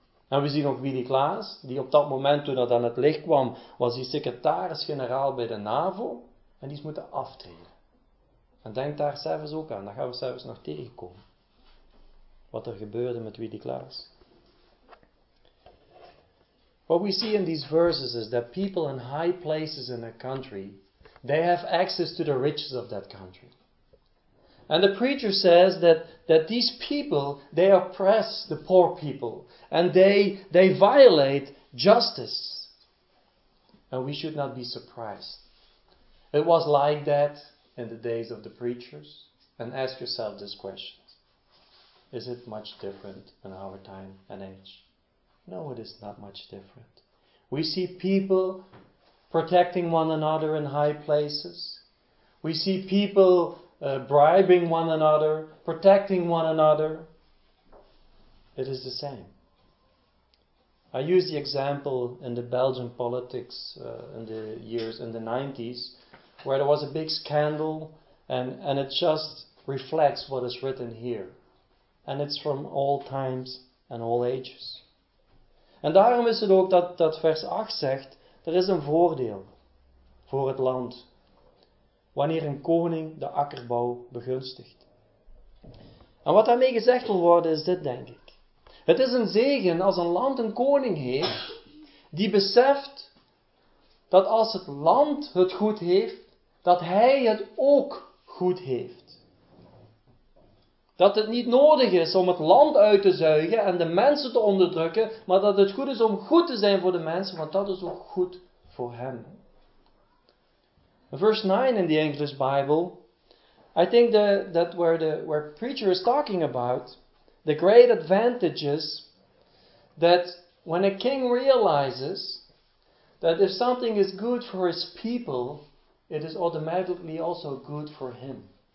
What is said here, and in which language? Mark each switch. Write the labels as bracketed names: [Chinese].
[Dutch] En we zien ook Willy Klaas, die op dat moment toen dat aan het licht kwam, was die secretaris-generaal bij de NAVO. En die is moeten aftreden. En denk daar zelfs ook aan. Dat gaan we zelfs nog tegenkomen. Wat er gebeurde met Willy Klaas. [English] What we see in these verses is that people in high places in a country, they have access to the riches of that country. And the preacher says that these people, they oppress the poor people. And they violate justice. And we should not be surprised It was like that in the days of the preachers. And ask yourself this question. Is it much different in our time and age? No, it is not much different. We see people protecting one another in high places. We see people bribing one another, protecting one another. It is the same. I use the example in the Belgian politics in the 90s, where there was a big scandal, and it just reflects what is written here. And it's from all times and all ages. [Dutch] En daarom is het ook dat vers 8 zegt, er is een voordeel voor het land, wanneer een koning de akkerbouw begunstigt. En wat daarmee gezegd wil worden is dit, denk ik. Het is een zegen als een land een koning heeft, die beseft dat als het land het goed heeft, dat hij het ook goed heeft. Dat het niet nodig is om het land uit te zuigen en de mensen te onderdrukken, maar dat het goed is om goed te zijn voor de mensen, want dat is ook goed voor hem. [English] Verse 9 in the English Bible, I think that where preacher is talking about, the great advantage is that when a king realizes that if something is good for his people, it is automatically also good for him.